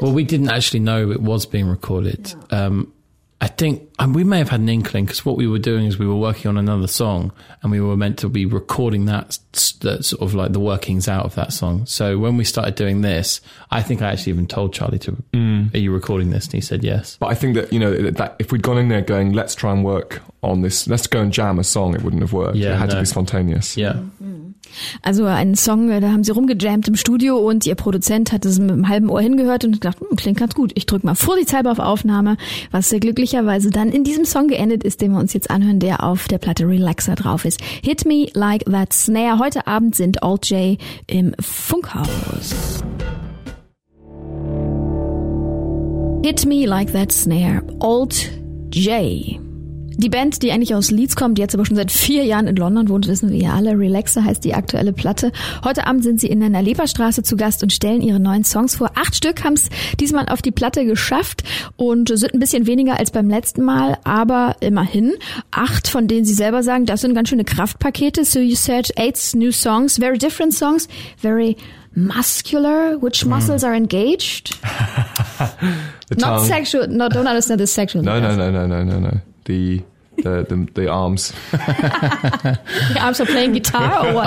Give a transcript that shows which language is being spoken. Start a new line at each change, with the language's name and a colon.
English: Well, we didn't actually know it was being recorded. Yeah. I think we may have had an inkling because what we were doing is we were working on another song and we were meant to be recording that sort of like the workings out of that song. So when we started doing this, I think I actually even told Charlie to, are you recording this? And he said yes. But I think that, you know, that if we'd gone in there going, let's try and work on this, let's go and jam a song, it wouldn't have worked. Yeah, it had to be spontaneous. Yeah.
German: Also einen Song, da haben sie rumgejammt im Studio und ihr Produzent hat es mit einem halben Ohr hingehört und gedacht, klingt ganz gut. Ich drücke mal vorsichtshalber auf Aufnahme, was sehr glücklicherweise dann in diesem Song geendet ist, den wir uns jetzt anhören, der auf der Platte Relaxer drauf ist. Hit Me Like That Snare. Heute Abend sind Alt-J im Funkhaus. Hit Me Like That Snare. Alt-J. Die Band, die eigentlich aus Leeds kommt, die jetzt aber schon seit 4 Jahren in London wohnt, wissen wir ja alle. Relaxer heißt die aktuelle Platte. Heute Abend sind sie in der Naleperstraße zu Gast und stellen ihre neuen Songs vor. 8 Stück haben es diesmal auf die Platte geschafft und sind ein bisschen weniger als beim letzten Mal, aber immerhin. 8, von denen sie selber sagen, das sind ganz schöne Kraftpakete.
English: So you said 8 new songs, very different songs, very muscular. Which muscles are engaged? Not sexual. No, don't understand this sexual. No. The arms. The arms are playing guitar or what?